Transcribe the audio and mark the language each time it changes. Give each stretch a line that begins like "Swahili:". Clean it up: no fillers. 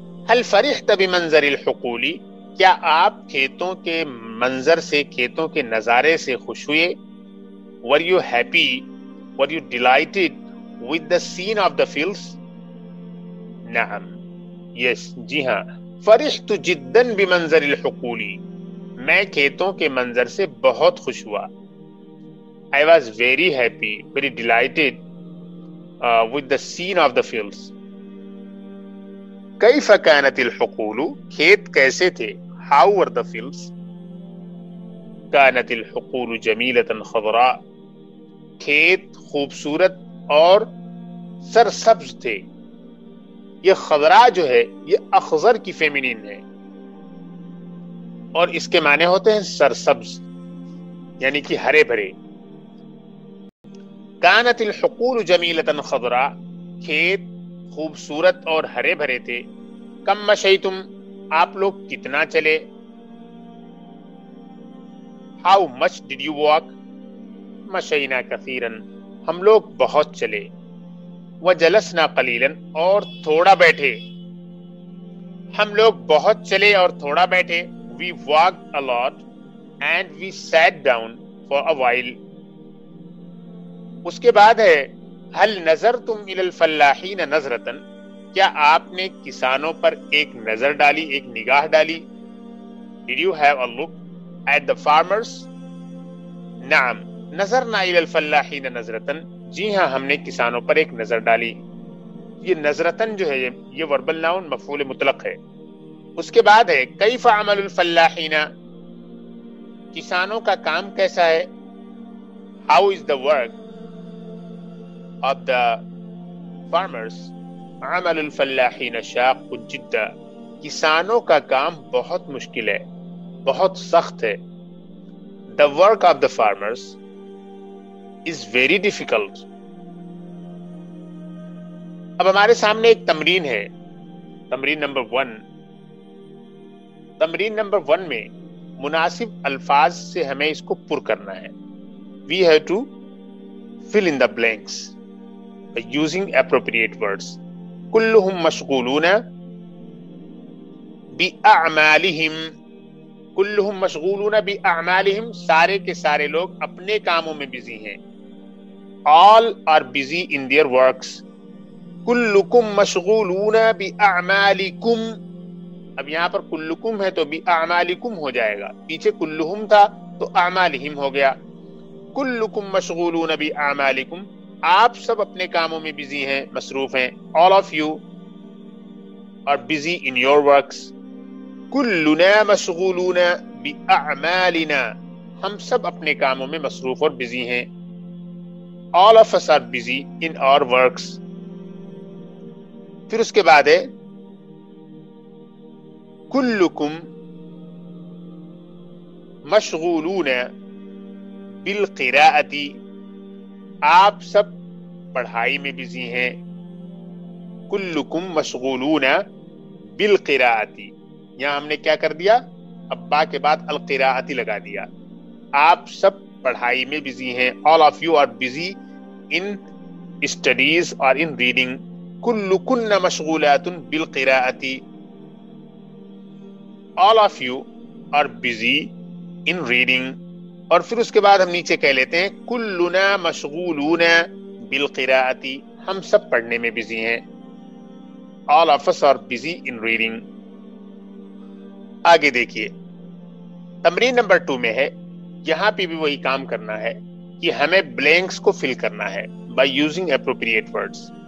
Arabic: هل فرحت بمنظر الحقول,
Urdu: کیا آپ کھیتوں کے منظر سے, کھیتوں کے نظارے سے خوش ہوئے؟
English: Were you happy, were you delighted with the scene of the fields?
Urdu: نعم, yes, جی ہاں.
Arabic: فرحت جدا بمنظر الحقول,
Urdu: میں کھیتوں کے منظر سے بہت خوش ہوا.
English: I was very happy, very delighted with the scene of the fields.
Arabic: کیف کانت الحقول,
Urdu: کھیت کیسے تھے؟
English: How were the fields?
Arabic: کانت الحقول جمیلۃ خضراء,
Urdu: کھیت خوبصورت اور سرسبز تھے. یہ خضراء جو ہے یہ اخضر کی فیمینین ہے اور اس کے معنی ہوتے ہیں سرسبز, یعنی کہ ہرے بھرے.
Arabic: کانت الحقول جمیلۃ خضراء,
Urdu: کھیت خوبصورت اور ہرے بھرے تھے.
Arabic: کم مشیتم,
Urdu: آپ لوگ کتنا چلے؟
English: How much did you walk?
Arabic: مشینا کثیرا,
Urdu: ہم لوگ بہت چلے.
Arabic: وجلسنا قلیلا,
Urdu: اور تھوڑا بیٹھے. ہم لوگ بہت چلے اور تھوڑا بیٹھے.
English: We walked a lot and we sat down for a while.
Urdu: اس کے بعد ہے
Arabic: هل نظرتم الى الفلاحین نظرۃ,
Urdu: کیا آپ نے کسانوں پر ایک نظر ڈالی, ایک نگاہ ڈالی؟
English: Did you have a look at the farmers?
Arabic: نعم, نظرنا الى الفلاحین نظرۃ,
Urdu: جی ہاں ہم نے کسانوں پر ایک نظر ڈالی. یہ نظرتن جو ہے یہ وربل ناؤن مفعول مطلق ہے. اس کے بعد ہے
Arabic: کیف عمل الفلاحین,
Urdu: کسانوں کا کام کیسا ہے؟
English: How is the work of the farmers?
Arabic: عمل الفلاحین شاق جدا,
Urdu: کسانوں کا کام بہت مشکل ہے, بہت سخت ہے.
English: The work of the farmers is very difficult.
Urdu: اب ہمارے سامنے ایک تمرین ہے, تمرین نمبر ون. تمرین نمبر ون میں مناسب الفاظ سے ہمیں اس کو پر کرنا ہے.
English: We have to fill in the blanks by using appropriate words.
Arabic: کلہم مشغولون بأعمالہم, کلہم مشغولون بأعمالہم,
Urdu: سارے کے سارے لوگ اپنے کاموں میں بزی ہیں.
English: All are busy in their works.
Arabic: کلکم مشغولون بأعمالکم,
Urdu: اب یہاں پر کلکم ہے تو بأعمالکم ہو جائے گا, پیچھے کلہم تھا تو اعمالہم ہو گیا.
Arabic: کلکم مشغولون بأعمالکم,
Urdu: آپ سب اپنے کاموں میں بزی ہیں, مصروف ہیں.
English: All of you are busy in your works.
Arabic: کلنا مشغولون بأعمالنا,
Urdu: ہم سب اپنے کاموں میں مصروف اور بزی ہیں.
English: All of us are busy in our works.
Urdu: پھر اس کے بعد ہے
Arabic: کلکم مشغولون بالقراءتی,
Urdu: آپ سب پڑھائی میں بزی ہیں.
Arabic: کلکم مشغولون بالقراءتی,
Urdu: یہاں ہم نے کیا کر دیا, ابا کے بعد القراءتی لگا دیا, آپ سب پڑھائی میں بزی ہیں.
English: All of you are busy in studies or in reading.
Arabic: کلکن مشغولات بالقراءتی,
English: All of you are busy in reading.
Urdu: اور پھر اس کے بعد ہم نیچے کہہ لیتے ہیں
Arabic: کلنا مشغولون بالقراءتی,
Urdu: ہم سب پڑھنے میں بزی ہیں.
English: All of us are busy in reading.
Urdu: آگے دیکھیے تمرین نمبر 2 میں ہے. یہاں پہ بھی وہی کام کرنا ہے کہ ہمیں بلینکس کو فل کرنا ہے بائی یوزنگ اپروپریٹ ورڈز.